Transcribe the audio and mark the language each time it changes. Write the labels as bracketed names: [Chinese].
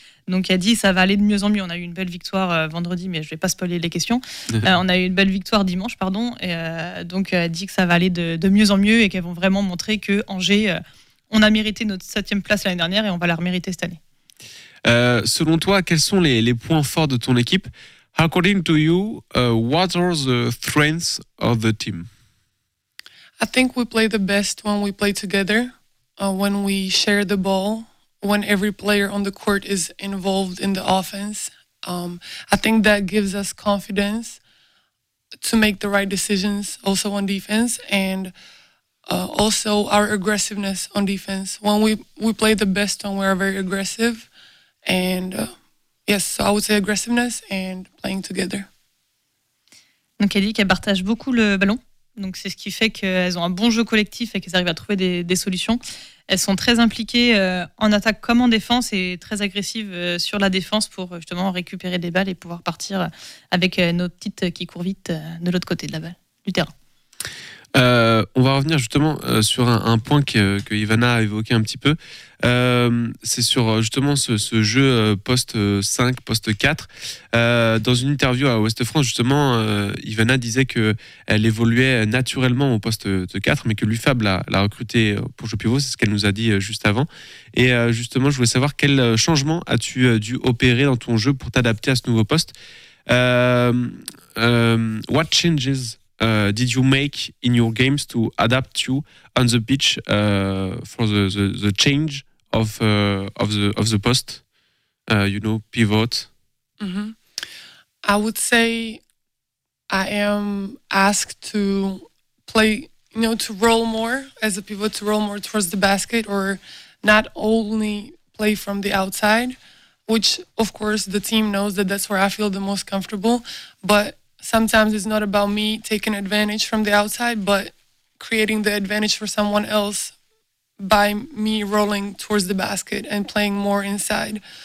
[French] Donc elle dit ça va aller de mieux en mieux. On a eu une belle victoire vendredi, mais je ne vais pas spoiler les questions. On a eu une belle victoire dimanche, pardon. Et donc elle dit que ça va aller de mieux en mieux et qu'elles vont vraiment montrer que Angers, on a mérité notre 7e place l'année dernière et on va la remériter cette année. Selon toi, quels sont les points forts de ton équipe? [English] According to you, what are the strengths of the team? I think we play the best when we play together, when we share the ball, when every player on the court is involved in the offense. I think that gives us confidence to make the right decisions also on defense, and also our aggressiveness on defense. When we play the best when we're very aggressive, and yes, so I would say aggressiveness and playing together. [French] Donc elle dit qu'elle partage beaucoup le ballon, donc c'est ce qui fait qu'elles ont un bon jeu collectif et qu'elles arrivent à trouver des solutions. Elles sont très impliquées en attaque comme en défense et très agressives sur la défense pour justement récupérer des balles et pouvoir partir avec nos petites qui courent vite de l'autre côté de la balle, du terrain. On va revenir justement sur un point que Ivana a évoqué un petit peu. C'est sur justement ce jeu poste 5, poste 4. Dans une interview à Ouest France, justement, Ivana disait qu'elle évoluait naturellement au poste de 4, mais que l'UFAB l'a recrutée pour jeu pivot. C'est ce qu'elle nous a dit juste avant. Et justement, je voulais savoir quel changement as-tu dû opérer dans ton jeu pour t'adapter à ce nouveau poste. [English] What changes did you make in your games to adapt you on the pitch for the change of the post, you know, pivot? Mm-hmm. I would say I am asked to play, you know, to roll more as a pivot, to roll more towards the basket, or not only play from the outside, which of course the team knows that that's where I feel the most comfortable, but sometimes it's not about me taking advantage from the outside, but creating the advantage for someone else by me rolling towards the basket and playing more inside.